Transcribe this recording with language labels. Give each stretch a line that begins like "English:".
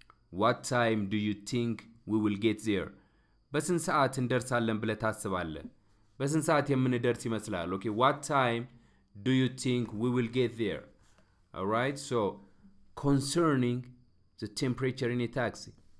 English: What time do you think we will get there?
Amharic: በስንት ሰዓት እንደርሳለን ብለ ታስባለህ? በስንት ሰዓት የምንደርስ ይመስላል? Okay.
English: What time do you think we will get there? All right. So concerning the temperature in a taxi.